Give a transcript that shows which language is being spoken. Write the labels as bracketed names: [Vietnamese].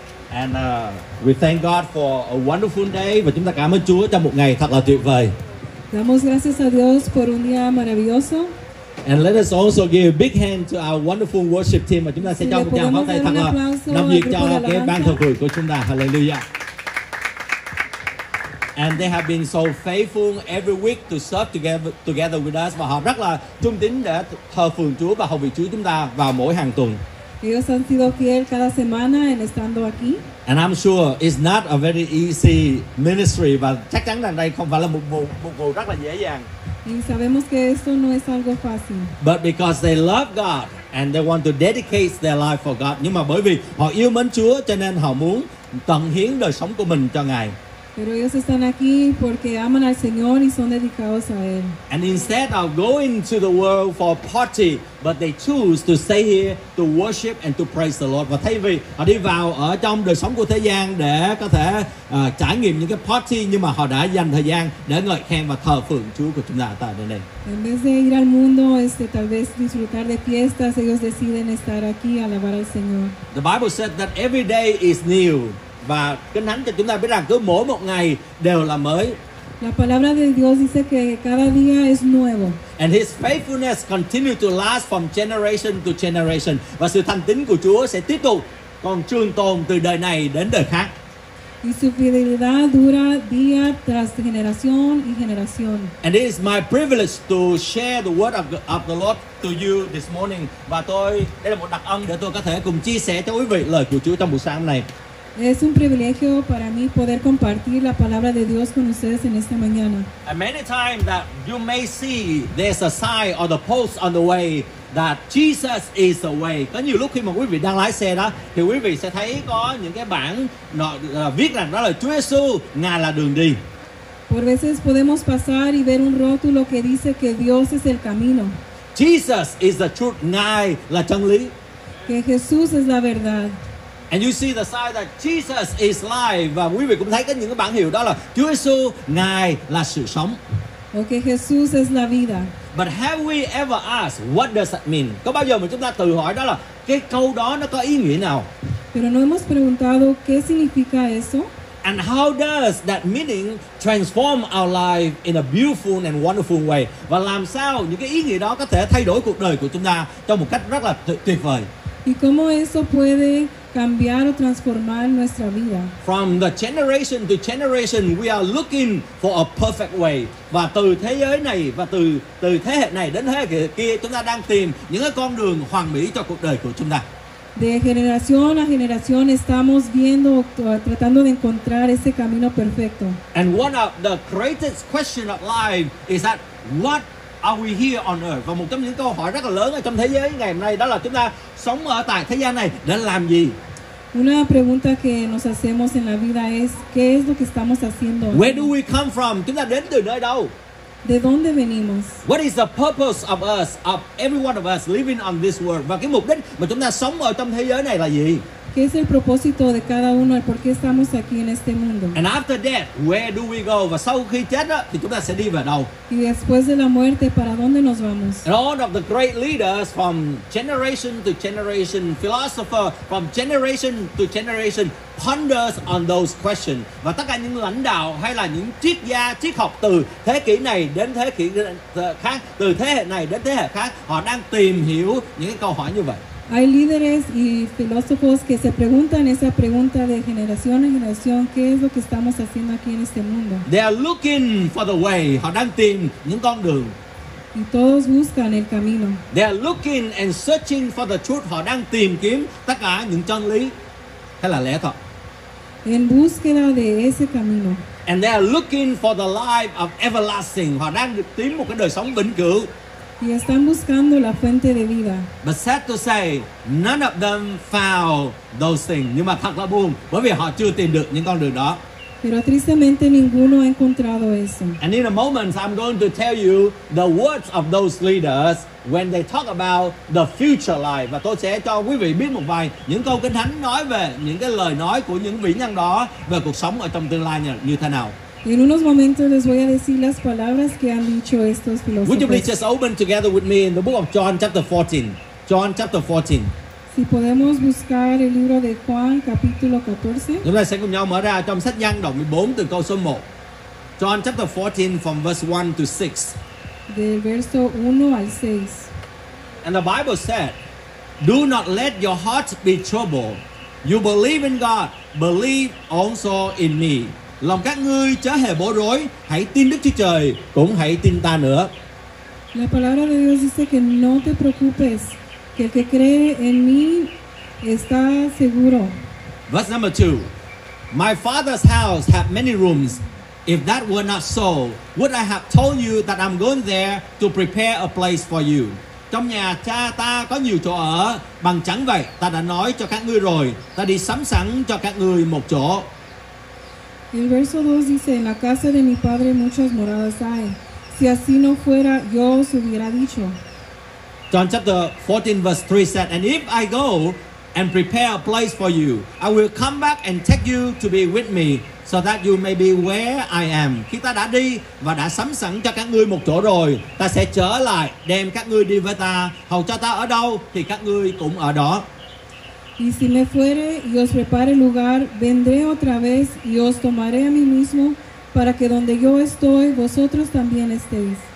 [English] And we thank God for a wonderful day. [Vietnamese] Và chúng ta cảm ơn Chúa cho một ngày thật là tuyệt vời. [Spanish] Damos gracias a Dios por un día maravilloso. [English] And let us also give a big hand to our wonderful worship team. [Vietnamese] Và chúng ta sẽ cho một tràng pháo tay thật là nồng nhiệt cho cái ban thờ phượng của chúng ta. Hallelujah. [English] And they have been so faithful every week to serve together with us. [Vietnamese] Và họ rất là trung tín để thờ phượng Chúa và hầu việc Chúa chúng ta vào mỗi hàng tuần. [Spanish] Ellos han sido fiel cada semana en estando aquí. [English] And I'm sure it's not a very easy ministry, [Vietnamese] và chắc chắn rằng đây không phải là một vụ rất là dễ dàng. [Spanish] Y sabemos que esto no es algo fácil. [English] But because they love God and they want to dedicate their life for God. [Vietnamese] Nhưng mà bởi vì họ yêu mến Chúa cho nên họ muốn tận hiến đời sống của mình cho Ngài. [Spanish] Pero ellos están aquí porque aman al Señor y son dedicados a él. [English] And instead of going to the world for a party, but they choose to stay here to worship and to praise the Lord. [Vietnamese] Và thay vì họ đi vào ở trong đời sống của thế gian để có thể trải nghiệm những cái party, nhưng mà họ đã dành thời gian để ngợi khen và thờ phượng Chúa của chúng ta tại nơi đây. [Spanish] En vez de ir al mundo, tal vez disfrutar de fiestas, ellos deciden estar aquí a alabar al Señor. [English] The Bible said that every day is new. [Vietnamese] Và Kinh Thánh cho chúng ta biết rằng cứ mỗi một ngày đều là mới. [Spanish] La palabra de Dios dice que cada día es nuevo. [English] And his faithfulness continue to last from generation to generation. [Vietnamese] Và sự thành tín của Chúa sẽ tiếp tục còn trường tồn từ đời này đến đời khác. [Spanish] Y su fidelidad dura día tras generación y generación. [English] And it is my privilege to share the word of the Lord to you this morning. [Vietnamese] Và đây là một đặc ân để tôi có thể cùng chia sẻ cho quý vị lời của Chúa trong buổi sáng này. [Spanish] Es un privilegio para mí poder compartir la palabra de Dios con ustedes en esta mañana. [English] And many times that you may see there's a sign or the post on the way that Jesus is the way. [Vietnamese] Có nhiều lúc khi mà quý vị đang lái xe đó, thì quý vị sẽ thấy có những cái bảng viết rằng đó là Chúa Giêsu, Ngài là đường đi. [Spanish] Por veces podemos pasar y ver un rótulo que dice que Dios es el camino. [English] Jesus is the truth. [Vietnamese] Ngài là chân lý. [Spanish] Que Jesús es la verdad. [English] And you see the sign that Jesus is life. [Vietnamese] Và quý vị cũng thấy cái những cái bảng hiệu đó là Chúa Giêsu, Ngài là sự sống. [Spanish] Okay, Jesús es la vida. [English] But have we ever asked what does that mean? [Vietnamese] Có bao giờ mà chúng ta tự hỏi đó là cái câu đó nó có ý nghĩa nào? [Spanish] Pero no hemos preguntado qué significa eso. [English] And how does that meaning transform our life in a beautiful and wonderful way? [Vietnamese] Và làm sao những cái ý nghĩa đó có thể thay đổi cuộc đời của chúng ta trong một cách rất là tuyệt vời? [Spanish] Y cómo eso puede cambiar o transformar nuestra vida. [English] From the generation to generation, we are looking for a perfect way. [Vietnamese] Và từ thế giới này và từ thế hệ này đến thế hệ kia, chúng ta đang tìm những cái con đường hoàn mỹ cho cuộc đời của chúng ta. [Spanish] De generación a generación estamos viendo, tratando de encontrar ese camino perfecto. [English] And one of the greatest question of life is that what are we here on earth? [Vietnamese] Và một trong những câu hỏi rất là lớn ở trong thế giới ngày hôm nay đó là chúng ta sống ở tại thế gian này để làm gì? [Spanish] Una pregunta que nos hacemos en la vida es ¿qué es lo que estamos haciendo? [English] Where do we come from? [Vietnamese] Chúng ta đến từ nơi đâu? [Spanish] ¿De dónde venimos? [English] What is the purpose of us, of every one of us living on this world? [Vietnamese] Và cái mục đích mà chúng ta sống ở trong thế giới này là gì? [Spanish] ¿Qué es el propósito de cada uno? ¿Por qué estamos aquí en este mundo? [English] And after death, where do we go? [Vietnamese] Và sau khi chết đó, thì chúng ta sẽ đi về đâu? [Spanish] Y después de la muerte, ¿para dónde nos vamos? [English] And all of the great leaders from generation to generation, philosopher from generation to generation, ponders on those questions. [Vietnamese] Và tất cả những lãnh đạo hay là những triết gia, triết học từ thế kỷ này đến thế kỷ khác, từ thế hệ này đến thế hệ khác, họ đang tìm hiểu những cái câu hỏi như vậy. [Spanish] Hay líderes y filósofos que se preguntan esa pregunta de generación en generación, ¿qué es lo que estamos haciendo aquí en este mundo? [English] They are looking for the way. [Vietnamese] Họ đang tìm những con đường. [Spanish] Y todos buscan el camino. [English] They are looking and searching for the truth. [Vietnamese] Họ đang tìm kiếm tất cả những chân lý hay là lẽ thật. [Spanish] En búsqueda de ese camino. [English] And they are looking for the life of everlasting. [Vietnamese] Họ đang tìm một cái đời sống vĩnh cửu. [Spanish] Y están buscando la fuente de vida. [English] But sad to say, none of them found those things. [Vietnamese] Nhưng mà thật là buồn, bởi vì họ chưa tìm được những con đường đó. [Spanish] Pero tristemente ninguno ha encontrado eso. [English] And in a moment, I'm going to tell you the words of those leaders when they talk about the future life. [Vietnamese] Và tôi sẽ cho quý vị biết một vài những câu kinh thánh nói về những cái lời nói của những vị nhân đó về cuộc sống ở trong tương lai như thế nào. [Spanish] En unos momentos les voy a decir las palabras que han dicho estos filósofos. [English] Would you please just open together with me in the book of John chapter 14. John chapter 14. [Spanish] Si podemos buscar el libro de Juan capítulo 14. [Vietnamese] Chúng ta sẽ cùng nhau mở ra trong sách Giăng đoạn 14 từ câu số 1. [English] John chapter 14 from verse 1 to 6. [Spanish] Del verso 1 al 6. [English] And the Bible said, "Do not let your hearts be troubled. You believe in God, believe also in me." [Vietnamese] Lòng các ngươi chớ hề bối rối, hãy tin Đức Chúa Trời, cũng hãy tin ta nữa. [Spanish] La palabra de Dios dice que no te preocupes, que el que cree en mí está seguro. [English] Verse number 2. My Father's house had many rooms. If that were not so, would I have told you that I'm going there to prepare a place for you? [Vietnamese] Trong nhà cha ta có nhiều chỗ ở, bằng chẳng vậy, ta đã nói cho các ngươi rồi, ta đi sắm sẵn cho các ngươi một chỗ. [Spanish] El verso 2 dice, en la casa de mi padre muchas moradas hay. Si así no fuera, yo os hubiera dicho. [English] John chapter 14 verse 3 said, and if I go and prepare a place for you, I will come back and take you to be with me, so that you may be where I am. [Vietnamese] Khi ta đã đi và đã sắm sẵn cho các ngươi một chỗ rồi, ta sẽ trở lại đem các ngươi đi với ta. Hầu cho ta ở đâu thì các ngươi cũng ở đó. [Spanish] Y si me fuere y os prepare lugar, vendré otra vez y os tomaré a mí mismo para que donde yo estoy, vosotros también estéis.